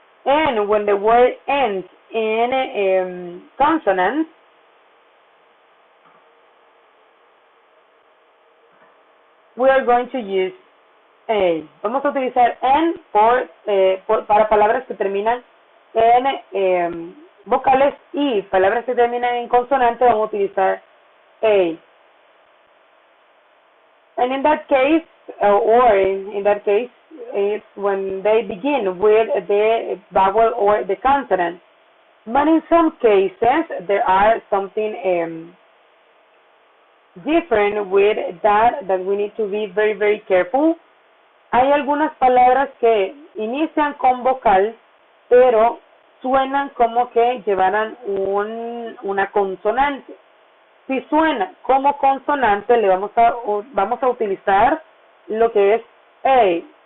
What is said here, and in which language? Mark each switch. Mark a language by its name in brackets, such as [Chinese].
[English] And when the word ends in consonant, we are going to use A. [Spanish] Vamos a utilizar N para palabras que terminan en vocales y palabras que terminan en consonante, vamos a utilizar A. [English] And in that case, or in that case, it's when they begin with the vowel or the consonant. But in some cases, there are something different with that we need to be very, very careful. [Spanish] Hay algunas palabras que inician con vocal, pero suenan como que llevaran una consonante. Si suena como consonante, le vamos a utilizar lo que es A.